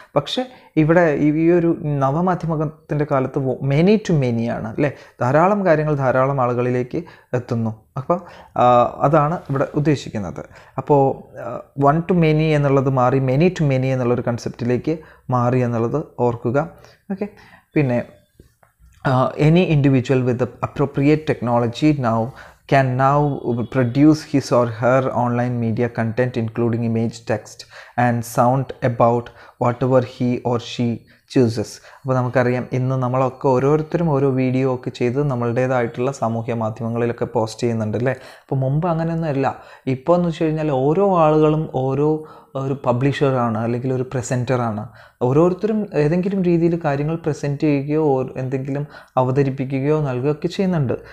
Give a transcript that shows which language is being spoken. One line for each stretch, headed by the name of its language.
Malayalam: പക്ഷേ ഇവിടെ ഈ ഒരു നവമാധ്യമത്തിൻ്റെ കാലത്ത് മെനി ടു മെനി ആണ് അല്ലേ. ധാരാളം കാര്യങ്ങൾ ധാരാളം ആളുകളിലേക്ക് എത്തുന്നു. അപ്പോൾ അതാണ് ഇവിടെ ഉദ്ദേശിക്കുന്നത്. അപ്പോൾ 1 to many എന്നുള്ളത് മാറി മെനി ടു മെനി എന്നുള്ളൊരു കൺസെപ്റ്റിലേക്ക് മാറി എന്നുള്ളത് ഓർക്കുക. ഓക്കെ, പിന്നെ
English: any individual with the appropriate technology now can now produce his or her online media content including image, text and sound about whatever he or she chooses.
Malayalam: അപ്പോൾ നമുക്കറിയാം, ഇന്ന് നമ്മളൊക്കെ ഓരോരുത്തരും ഓരോ വീഡിയോ ഒക്കെ ചെയ്ത് നമ്മളുടേതായിട്ടുള്ള സാമൂഹ്യ മാധ്യമങ്ങളിലൊക്കെ പോസ്റ്റ് ചെയ്യുന്നുണ്ട് അല്ലേ. അപ്പോൾ മുമ്പ് അങ്ങനെയൊന്നുമല്ല. ഇപ്പോൾ എന്ന് വെച്ച് കഴിഞ്ഞാൽ ഓരോ ആളുകളും ഓരോ ഒരു പബ്ലിഷറാണ് അല്ലെങ്കിൽ ഒരു പ്രസൻറ്ററാണ്. ഓരോരുത്തരും ഏതെങ്കിലും രീതിയിൽ കാര്യങ്ങൾ പ്രസൻറ്റ് ചെയ്യുകയോ എന്തെങ്കിലും അവതരിപ്പിക്കുകയോ നൽകുകയൊക്കെ ചെയ്യുന്നുണ്ട്.